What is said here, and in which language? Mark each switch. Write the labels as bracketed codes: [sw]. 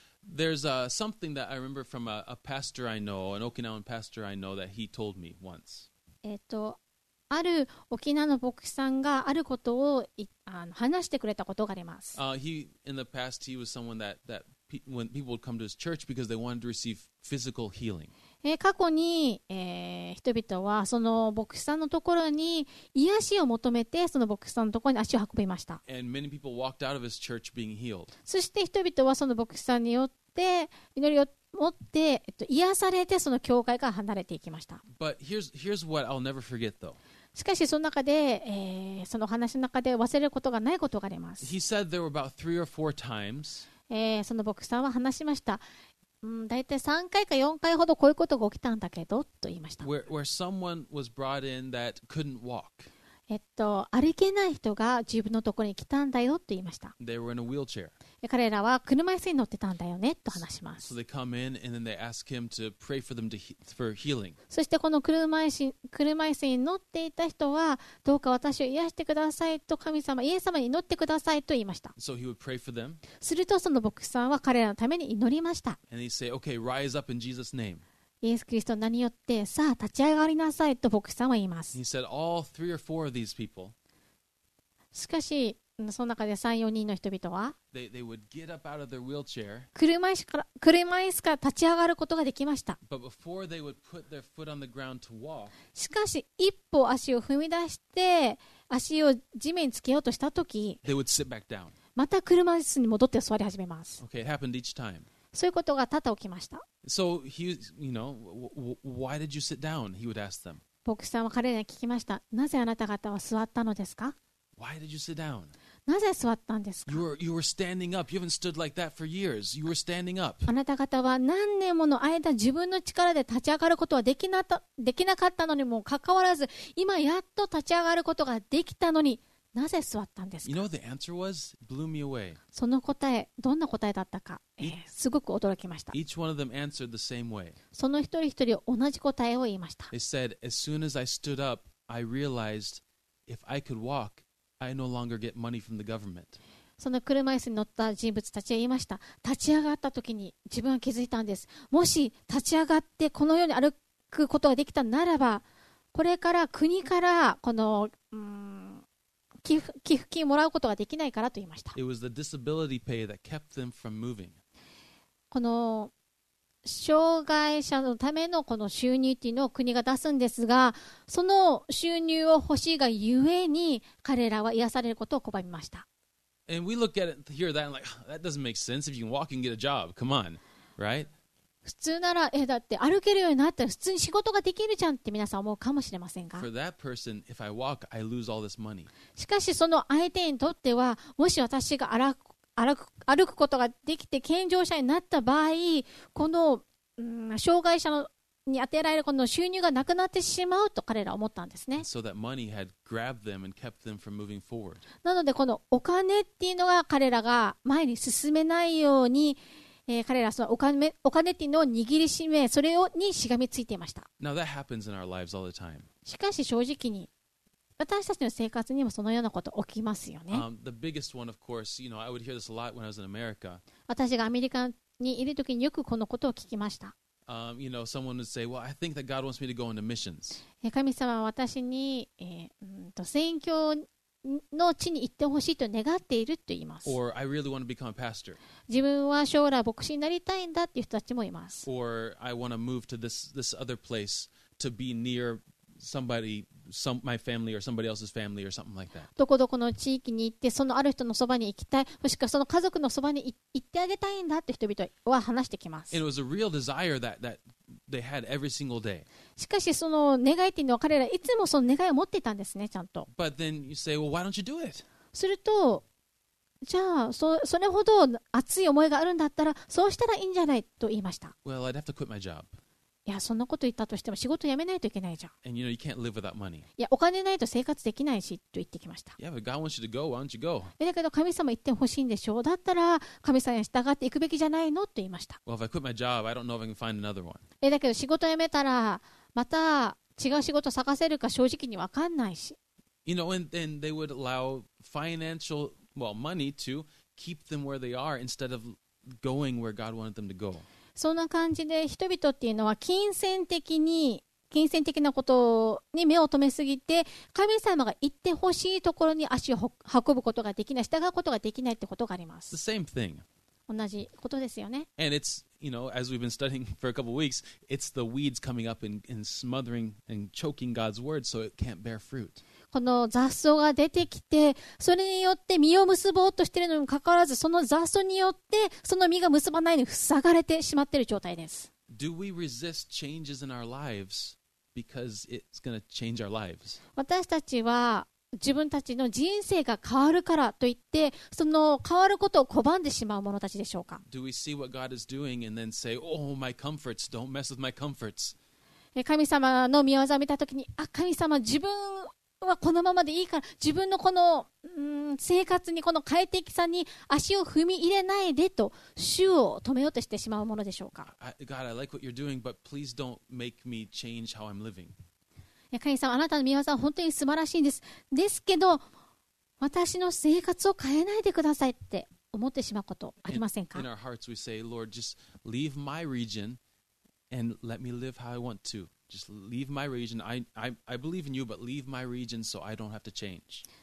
[en] There's something that I remember from a pastor I know, an Okinawan pastor I know that he told me once. [ja] ある沖縄の牧師さんがあることを話してくれたことがあります。 [en] In the past, he was someone that when people would come to his church because they wanted to receive physical healing. [ja] 過去に、人々はその牧師さんのところに癒しを求めて、その牧師さんのところに足を運びました。 [en] And many people walked out of his church being healed. [ja] そして人々はその牧師さんによって祈りを持って、癒されて、その教会から離れていきました。 [en] But here's what I'll never forget, though. [ja] しかしその中で、その話の中で忘れることがないことがあります。 [en] He said there were about three or four times. [ja] その牧師さんは話しました、大体3回か4回ほどこういうことが起きたんだけどと言いました。 [en] where someone was brought in that couldn't walk. [ja] 歩けない人が自分のところに来たんだよと言いました。 [en] They were in a wheelchair. [ja] 彼らは車椅子に乗ってたんだよねと話します。 [en] So they come in and then they ask him to pray for them for healing. [ja] そしてこの車椅子に乗っていた人はどうか私を癒してくださいと神様、イエス様に祈ってくださいと言いました。 [en] So he would pray for them. [ja] するとその牧師さんは彼らのために祈りました。 [en] And he'd say, okay, rise up in Jesus' name. [ja] イエス・キリストの名によってさあ立ち上がりなさいと牧師さんは言います。 [en] He said, all three or four of these people, [ja] しかしその中で 3,4 人の人々は [en] they would get up out of their wheelchair, [ja] 車椅子から立ち上がることができました。 [en] But before they would put their foot on the ground to walk, [ja] しかし一歩足を踏み出して足を地面につけようとしたとき [en] they would sit back down. [ja] また車椅子に戻って座り始めます。 [en] Okay, it happened each time. [ja] そういうことが多々起きました。 [en] So he, you know, why did you sit down? He would ask them. [ja] 牧師さんは彼らに聞きました。なぜあなた方は座ったのですか? [en] Why did you sit down? [ja] なぜ座ったんですか? [en] You were standing up. You haven't stood like that for years. You were standing up. [ja] あなた方は何年もの間自分の力で立ち上がることはできなかったのにもかかわらず、今やっと立ち上がることができたのに、なぜ座ったんですか? [en] You know the answer was? Blew me away. [ja] その答え、どんな答えだったか、すごく驚きました。 [en] Each one of them answered the same way. [ja] その一人一人同じ答えを言いました。 [en] They said, as soon as I stood up, I realized if I could walk, I no longer get money from the government. [ja] その車椅子に乗った人物たちは言いました。立ち上がった時に自分は気づいたんです。もし立ち上がってこのように歩くことができたならば、これから国からこの、寄付金もらうことができないからと言いました。 [en] It was the disability pay that kept them from moving. [ja] この障害者のためのこの収入というのを国が出すんですが、その収入を欲しいがゆえに彼らは癒されることを拒みました。 [en] And we look at it here that like that doesn't make sense if you can walk and get a job. Come on, right? [ja] 普通なら、だって歩けるようになったら普通に仕事ができるじゃんって皆さん思うかもしれませんが。 [en] For that person, if I walk, I lose all this money. [ja] しかしその相手にとっては、もし私が歩くことができて健常者になった場合、この、障害者に当てられるこの収入がなくなってしまうと彼ら思ったんですね。 [en] So that money had grabbed them and kept them from moving forward. [ja] なのでこのお金っていうのが彼らが前に進めないように、彼らはそのお金っていうのを握りしめ、それをにしがみついていました。 [en] Now that happens in our lives all the time. [ja] しかし正直に、私たちの生活にもそのようなこと起きますよね。 [en] The biggest one, of course, you know, I would hear this a lot when I was in America. [ja] 私がアメリカにいるときによくこのことを聞きました。 [en] You know, someone would say, well, I think that God wants me to go into missions. [ja] 神様は私に、宣教の地に行ってほしいと願っていると言います。 [en] Or, I really want to become a pastor. [ja] 自分は将来牧師になりたいんだっていう人たちもいます。 [en] Or, I want to move to this other place to be near somebody, my family or somebody else's family or something like that. [ja] どこどこの地域に行って、そのある人のそばに行きたい、もしくはその家族のそばに行ってあげたいんだって人々は話してきます。 [en] And it was a real desire that they had every single day. [ja] しかしその願いっていうのは彼らいつもその願いを持っていたんですね、ちゃんと。 [en] But then you say, well, why don't you do it? [ja] すると、じゃあ それほど熱い思いがあるんだったら、そうしたらいいんじゃないと言いました。 [en] Well, I'd have to quit my job. [ja] いや、そんなこと言ったとしても仕事辞めないといけないじゃん。 [en] And you know, you can't live without money. [ja] いや、お金ないと生活できないしと言ってきました。 [en] Yeah, but God wants you to go. Why don't you go? [ja] だけど神様言ってほしいんでしょう。だったら神様に従って行くべきじゃないのと言いました。 [en] Well, if I quit my job, I don't know if I can find another one. [ja] だけど仕事辞めたらまた違う仕事探せるか正直に分かんないし。 [en] You know, and they would allow financial, well, money to keep them where they are instead of going where God wanted them to go. [ja] そんな感じで人々っていうのは金銭的なことに目を留めすぎて神様が行ってほしいところに足を運ぶことができない従うことができないってことがあります。 [en] The same thing. [ja] 同じことですよね。 [en] And it's, you know, as we've been studying for a couple of weeks, it's the weeds coming up and smothering and choking God's word so it can't bear fruit. [ja] この雑草が出てきて、それによって実を結ぼうとしているのにもかかわらず、その雑草によってその実が結ばないのに塞がれてしまっている状態です。 [en] Do we resist changes in our lives because it's going to change our lives? [ja] 私たちは自分たちの人生が変わるからといって、その変わることを拒んでしまう者たちでしょうか。 [en] Do we see what God is doing and then say, oh, my comforts, don't mess with my comforts? [ja] 神様の御業を見たときに、あ、神様、自分はこのままでいいから自分のこの、生活にこの快適さに足を踏み入れないでと主を止めようとしてしまうものでしょうか。 [en] God, I like what you're doing, but please don't make me change how I'm living. [ja] 神様、あなたの御業は本当に素晴らしいんです。ですけど、私の生活を変えないでくださいって思ってしまうことありませんか。 [en] In our hearts we say, Lord, just leave my region and let me live how I want to. Just leave my region. I believe in you, but leave my region so I don't have to change.